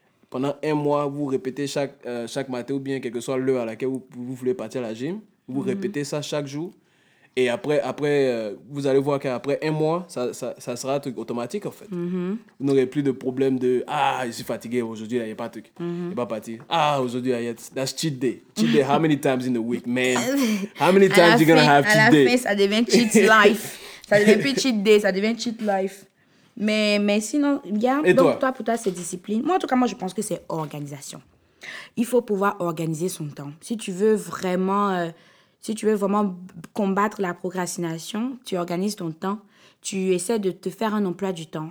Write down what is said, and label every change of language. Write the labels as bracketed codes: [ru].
[fr] Pendant un mois, vous répétez chaque matin ou bien quelque soit l'heure à laquelle vous voulez partir à la gym. Vous répétez ça chaque jour. Et après, vous allez voir qu'après un mois, ça sera un truc automatique, en fait. Vous n'aurez plus de problème de « Ah, je suis fatigué, aujourd'hui, il n'y a pas de truc. Il n'y a pas parti. Ah, aujourd'hui, il y a... [en] That's cheat day. Cheat day, how many times in the week, man? How many times you gonna have cheat day? » [fr] À la fin, ça devient cheat life. Ça devient plus cheat day, ça devient cheat life. Mais sinon, regarde, donc toi, pour toi, c'est discipline. Moi, en tout cas, moi, je pense que c'est organisation. Il faut pouvoir organiser son temps. Si tu veux vraiment... si tu veux vraiment combattre la procrastination, tu organises ton temps, tu essaies de te faire un emploi du temps.